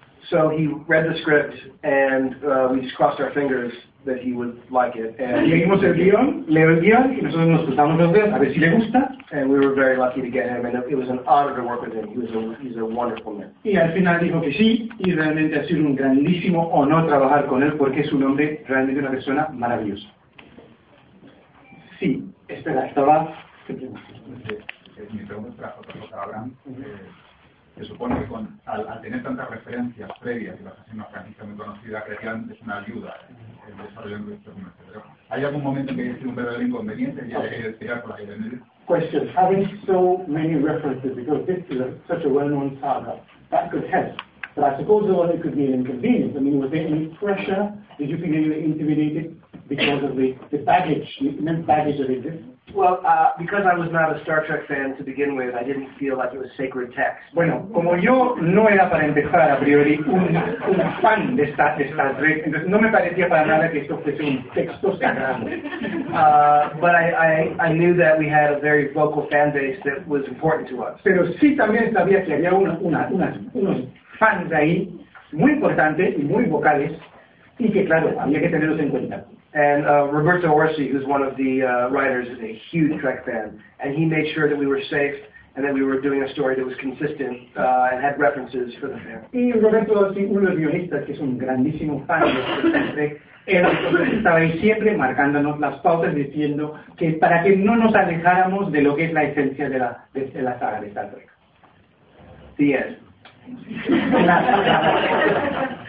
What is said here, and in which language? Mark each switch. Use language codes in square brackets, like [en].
[en] So he read the script, and we just crossed our fingers that he would like it. [es] Y leímos el guión, leo el guión, y nosotros nos cruzamos los dedos a ver si le gusta. [en] And we were very lucky to get him, and it was an honor to work with him. He's a wonderful man. [es] Y al final dijo que sí, y realmente ha sido un grandísimo honor trabajar con él, porque es un hombre, realmente una persona maravillosa. Sí, espera, estaba... Mi pregunta es para se supone que al tener tantas referencias previas y la gente más franquicia muy conocida, creían que es una ayuda en el desarrollo de nuestro mundo. Pero ¿hay algún momento en que hay un verdadero inconveniente y hay que tirar con la idea de [en] question. Having so many references, because this is such a well-known saga, that could help. But I suppose it could be an inconvenience. I mean, was there any pressure? Did you feel you were intimidated because of the baggage, the immense baggage of it? Well, because I was not a Star Trek fan to begin with, I didn't feel like it was sacred text. [es] Bueno, como yo no era para empezar a priori un fan de Star Trek, entonces no me parecía para nada que esto fuese un texto sagrado. [en] But I knew that we had a very vocal fan base that was important to us. [es] Pero sí también sabía que había unos fans ahí muy importantes y muy vocales y que claro, había que tenerlos en cuenta. [en] And Roberto Orsi, who's one of the writers, is a huge Trek fan, and he made sure that we were safe and that we were doing a story that was consistent and had references for the fan. [es] Y Roberto Orsi, uno de los guionistas, que es un grandísimo fan de Trek, estaba ahí siempre marcándonos las pautas, diciendo que para que no nos alejáramos de lo que es la esencia de la saga de Star Trek. [en] The end.